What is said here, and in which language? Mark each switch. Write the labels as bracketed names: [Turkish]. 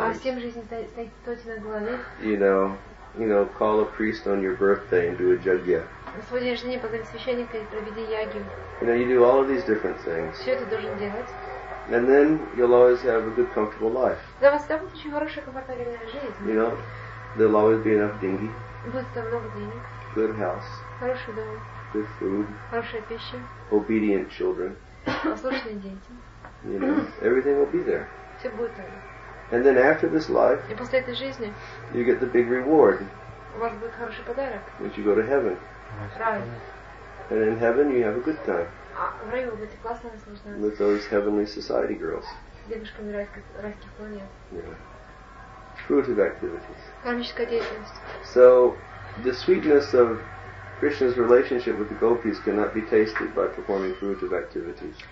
[Russian] А семь жизней стойте на голове. [English] You know, call a priest on your birthday and do a jagya. [Russian] На свой день рождения позови священника и проведи яги. [English] You know, you do all of these different things. [Russian] Все это должен делать. [English] And then you'll always have a good, comfortable life. [Russian] Для вас всегда будет очень хорошая, комфортабельная жизнь. [English] You know, there'll always be enough [Russian] деньги. Будет там много денег. [English] Good house. [Russian] Хороший дом. [English] Good food. [Russian] Хорошая пища. [English] Obedient children. [Russian] Послушные дети. [English] You know, everything will be there. [Russian] Все будет там. [English] And then after this life, [Russian] и после этой жизни, [English] you get the big reward. [Russian] У вас будет хороший подарок. [English] Which you go to heaven. Right. And in heaven you have a good time. [Russian] А в раю вы будете классно наслаждаться. [English] With those heavenly society girls. [Russian] Девушками райских планет. [English] Yeah. Fruitive activities. [Russian] Кармическая деятельность. [English] So the sweetness of Krishna's relationship with the gopis cannot be tasted by performing fruitive activities.